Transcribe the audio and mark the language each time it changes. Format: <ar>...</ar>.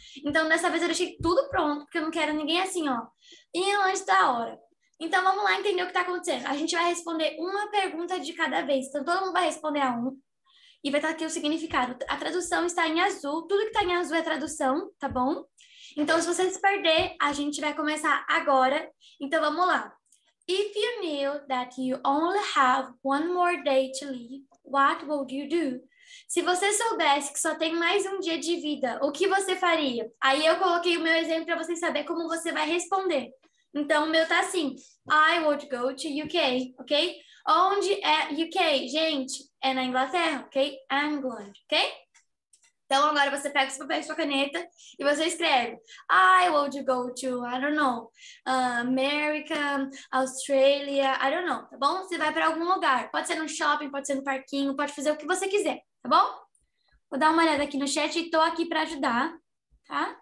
<pt>Então, dessa vez eu deixei tudo pronto, porque eu não quero ninguém assim, ó. E antes da hora. Então, vamos lá entender o que tá acontecendo. A gente vai responder uma pergunta de cada vez. Então, todo mundo vai responder a um. E vai estar aqui o significado. A tradução está em azul. Tudo que tá em azul é tradução, tá bom? Então, se você se perder, a gente vai começar agora. Então, vamos lá.</pt> <en>If you knew that you only have one more day to live, what would you do?</en> <pt>Se você soubesse que só tem mais um dia de vida, o que você faria? Aí eu coloquei o meu exemplo para você saber como você vai responder. Então, o meu tá assim.</pt> <en>I would go to UK, ok?</en> <pt>Onde é UK? Gente, é na Inglaterra, ok? England, ok? Então, agora você pega esse papel e sua caneta e você escreve.</pt> <en>I would go to, I don't know, America, Australia, I don't know,</en> <pt>tá bom? Você vai para algum lugar. Pode ser no shopping, pode ser no parquinho, pode fazer o que você quiser, tá bom? Vou dar uma olhada aqui no chat e tô aqui para ajudar, tá?</pt>